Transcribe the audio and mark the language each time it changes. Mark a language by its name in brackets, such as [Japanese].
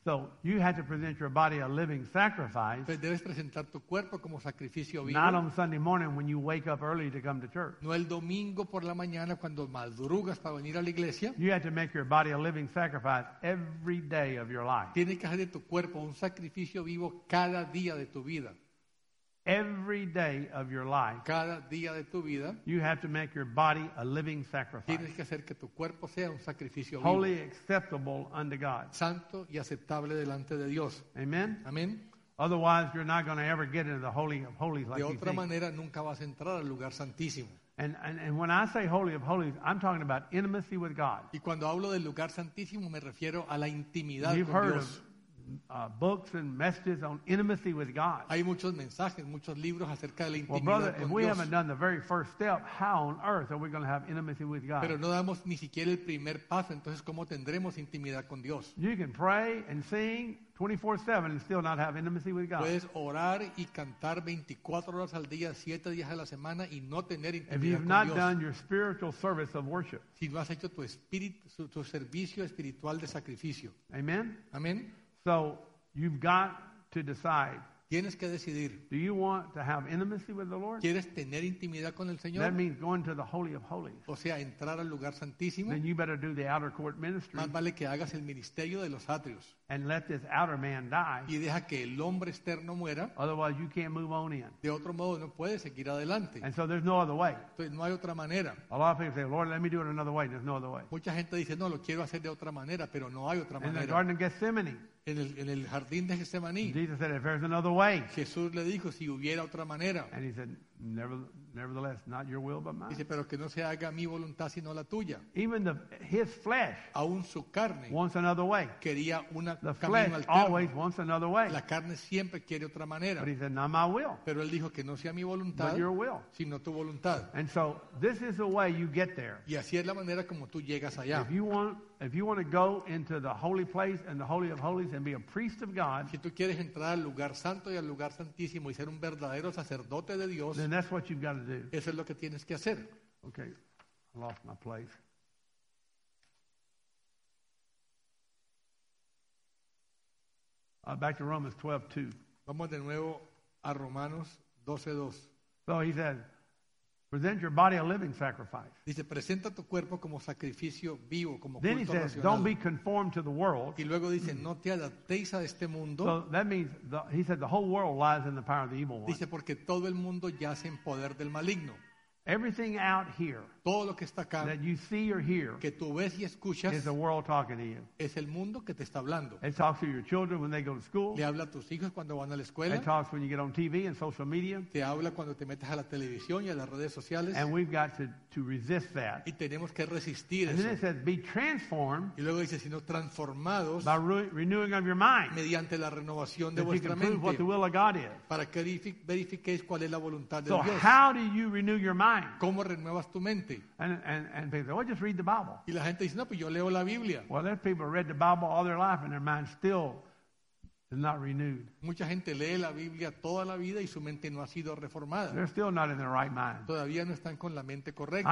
[English] So you had to present your body a living sacrifice. [Spanish] Pues debes presentar tu cuerpo como sacrificio vivo. [English] Not on Sunday morning when you wake up early to come to church. [Spanish] No el domingo por la mañana cuando madrugas para venir a la iglesia. [English] You had to make your body a living sacrifice every day of your life. [Spanish] Tienes que hacer de tu cuerpo un sacrificio vivo cada día de tu vida. [English] Every day of your life, [Spanish] cada día de tu vida, [English] you have to make your body a living sacrifice. [Spanish] Tienes que hacer que tu cuerpo sea un sacrificio vivo. [English] Holy, acceptable unto God. [Spanish] Santo y aceptable delante de Dios. [English] Amen. [Spanish] Amen. [English] Otherwise, you're not going to ever get into the Holy of Holies like you think. [Spanish] De otra manera, nunca vas a entrar al lugar santísimo. [English] And when I say Holy of Holies, I'm talking about intimacy with God. [Spanish] Y cuando hablo del lugar santísimo, me refiero a la intimidad con Dios. [English] Books and messages on intimacy with God. [Spanish] Hay muchos mensajes, muchos libros acerca de la intimidad con Dios. [English] Well, brother, if we haven't done the very first step, how on earth are we going to have intimacy with God? [Spanish] Pero no damos ni siquiera el primer paso, entonces ¿cómo tendremos intimidad con Dios? [English] You can pray and sing 24/7 and still not have intimacy with God. [Spanish] Puedes orar y cantar 24 horas al día, 7 días a la semana y no tener intimidad [English] If you've not done your spiritual service of worship. [Spanish] Si no has hecho tu espíritu, tu servicio espiritual de sacrificio. [English] Amen. [Spanish] Amen. [English] So you've got to decide. [Spanish] Tienes que decidir. [English] Do you want to have intimacy with the Lord? [Spanish] ¿Quieres tener intimidad con el Señor? [English] That means going to the Holy of Holies. [Spanish] O sea, entrar al lugar santísimo. [English] Then you better do the outer court ministry. [Spanish] Más vale que hagas el ministerio de los atrios. [English] And let this outer man die. [Spanish] Y deja que el hombre externo muera. [English] Otherwise, you can't move on in. [Spanish] De otro modo, no puedes seguir adelante. [English] And so there's no other way. [Spanish] Entonces, no hay otra manera. [English] A lot of people say, Lord, let me do it another way. There's no other way. [Spanish] Mucha gente dice, no, lo quiero hacer de otra manera, pero no hay otra manera. [English] In the Garden of Gethsemane. [Spanish] En el jardín de Getsemaní. [English] Jesus said, if there's another way. [Spanish] Jesús le dijo, si hubiera otra manera. [English] And he said, nevertheless, not your will but mine. [Spanish] Dice, pero que no se haga mi voluntad sino la tuya. [English] Even his flesh. [Spanish] Aún su carne. [English] Wants another way. [Spanish] Quería una [English] the flesh [Spanish] camino alterno. [English] Always wants another way. [Spanish] La carne siempre quiere otra manera. [English] But he said, not my will. [Spanish] Pero él dijo que no sea mi voluntad. [English] But your will. [Spanish] Sino tu voluntad. [English] And so this is the way you get there. [Spanish] Y así es la manera como tú llegas allá. [English] If you want to go into the holy place and the holy of holies and be a priest of God, [Spanish] si tú quieres entrar al lugar santo y al lugar santísimo y ser un verdadero sacerdote de Dios, [English] then that's what you've got to do. [Spanish] Eso es lo que tienes que hacer. [English] Okay, I lost my place. Back to Romans 12:2. [Spanish] Vamos de nuevo a Romanos 12:2. [English] So he says, present your body a living sacrifice. [Spanish] Dice, presenta tu cuerpo como sacrificio vivo, como culto racional. [English] Then he says, don't be conformed to the world. [Spanish] Y luego dice, no te adaptes a este mundo. [English] So that means, he said, the whole world lies in the power of the evil one. [Spanish] Dice, porque todo el mundo yace en poder del maligno. [English] Everything out here, [Spanish] todo lo que está acá, [English] that you see or hear, [Spanish] que tú ves y escuchas, [English] is the world talking to you. [Spanish] Es el mundo que te está hablando. [English] It talks to your children when they go to school. [Spanish] Le habla a tus hijos cuando van a la escuela. [English] It talks when you get on TV and social media. [Spanish] Te habla cuando te metes a la televisión y a las redes sociales. [English] And we've got to resist that. [Spanish] Y tenemos que resistir eso. [English] And then it says, be transformed. [Spanish] Y luego dice, sino transformados. [English] By renewing of your mind. [Spanish] Mediante la renovación de vuestra mente. [English] That you can prove what the will of God is. [Spanish] Para que verifiquéis cuál es la voluntad de Dios. [English] So how do you renew your mind? [Spanish] ¿Cómo renuevas tu mente? [English] And they say, oh, just read the Bible. [Spanish] Y la gente dice, no, pues yo leo la Biblia. [English] Well, there's people who read the Bible all their life and their mind still is not renewed. [Spanish] Mucha gente lee la Biblia toda la vida y su mente no ha sido reformada. [English] They're still not in their right mind. [Spanish] Todavía no están con la mente correcta.